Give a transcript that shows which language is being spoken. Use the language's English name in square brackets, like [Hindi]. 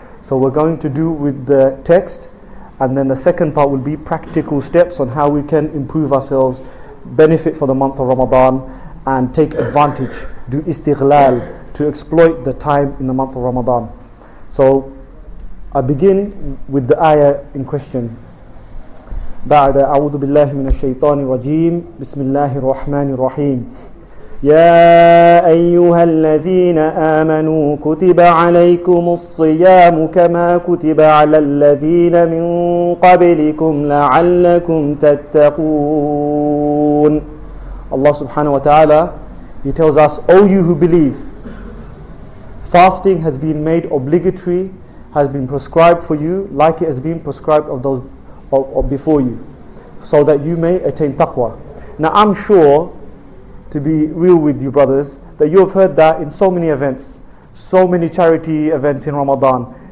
[English] So we're going to do with the text, and then the second part will be practical steps on how we can improve ourselves, benefit for the month of Ramadan, and take advantage, do istighlal, to exploit the time in the month of Ramadan. So I begin with the ayah in question. [Arabic] بعد أعوذ بالله من الشيطان الرجيم بسم الله الرحمن الرحيم يا أيها الذين آمنوا كتب عليكم الصيام كما كتب على الذين من قبلكم لعلكم تتقون. [English] Allah subhanahu wa ta'ala, He tells us, O you who believe, fasting has been made obligatory, has been prescribed for you, like it has been prescribed of those of before you, so that you may attain taqwa. Now I'm sure, to be real with you brothers, that you have heard that in so many events, so many charity events in Ramadan.